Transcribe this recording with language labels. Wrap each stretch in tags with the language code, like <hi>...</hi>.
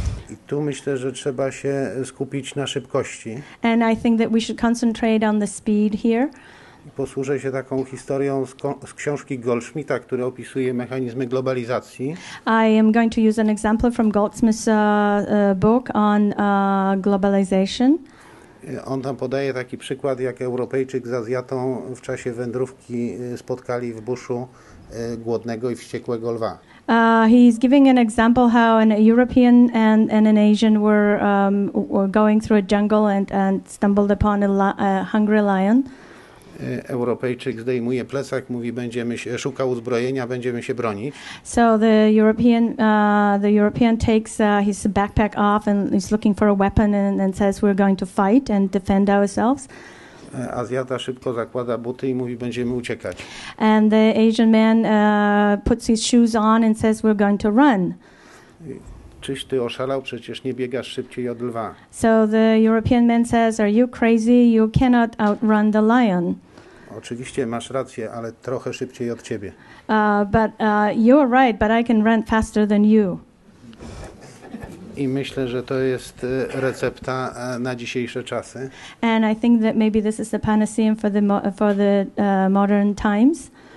<pl>I tu myślę, że trzeba się skupić na szybkości.</pl> <en>And I think that we should concentrate on the speed here.</en> <pl>Posłużę się taką historią z książki Goldschmidta, która opisuje mechanizmy globalizacji.</pl> <en>I am going to use an example from Goldsmith's book on globalization.</en> <pl>On tam podaje taki przykład, jak Europejczyk z Azjatą w czasie wędrówki spotkali w buszu głodnego i wściekłego lwa.</pl> <en>He is giving an example how an European and an Asian were going through a jungle and stumbled upon a hungry lion.</en> <pl>Europejczyk zdejmuje plecak, mówi, będziemy się szukał uzbrojenia, będziemy się bronić.</pl> <en>So the European takes his backpack off and is looking for a weapon and says we're going to fight and defend ourselves.</en> <pl>Azjata szybko zakłada buty i mówi, będziemy uciekać.</pl> <en>And the Asian man puts his shoes on and says we're going to run.</en> <pl>Czyś ty oszalał, przecież nie biegasz szybciej od lwa.</pl> <en>So the European man says, are you crazy? You cannot outrun the lion.</en> <pl>Oczywiście masz rację, ale trochę szybciej od ciebie.</pl> <en>But you're right, but I can run faster than you.</en> <pl>I myślę, że to jest recepta na dzisiejsze czasy.</pl> <en>And I think that maybe this is the panacea for the modern times.</en>